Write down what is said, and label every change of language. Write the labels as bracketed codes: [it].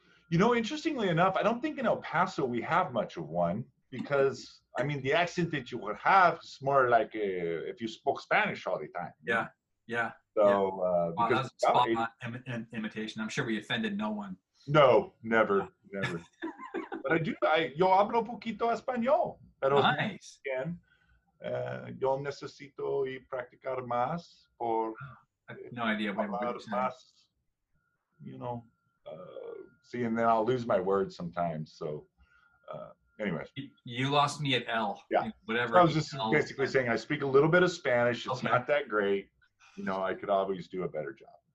[en] You know, interestingly enough, I don't think in El Paso we have much of one. Because, I mean, the accent that you would have is more like if you spoke Spanish all the time. Yeah, yeah. So, yeah. Because that was imitation. I'm sure we offended no one. No, never, yeah. Never. But I do, [es] yo hablo poquito español. Pero [en] nice. Again, [es] yo necesito y practicar más. Por, [en] no idea what I'm saying. [es] Más, [en] you know, see, and then I'll lose my words sometimes, so... Anyways, you lost me at L. Yeah. Whatever. I was just basically saying I speak a little bit of Spanish. It's okay. Not that great. You know, I could always do a better job.